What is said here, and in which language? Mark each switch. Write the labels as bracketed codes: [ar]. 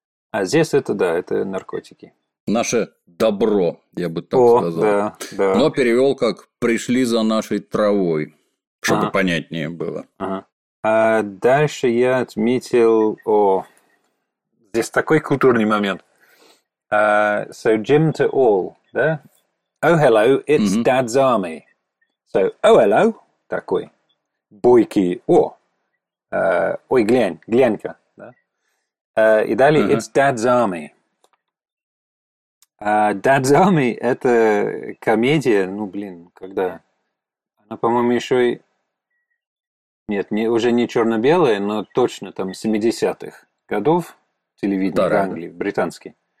[ru] А здесь это, да, это наркотики. Наше добро, я бы так сказал. Да, да. Но перевел как «пришли за нашей травой», чтобы ага. понятнее было. Ага. А дальше я отметил... О, здесь такой культурный момент. [en] So, Jim to all, да? Oh, hello, it's mm-hmm. Dad's army. So, oh, hello, [ru] такой бойкий. О, ой, глянь, глянь-ка. И далее, [en] uh-huh. it's Dad's Army. [ru] Dad's Army – это комедия, ну, блин, когда... Она, по-моему, еще и... Нет, не, уже не черно-белая, но точно там 70-х годов телевидения да, в Англии, да. британский.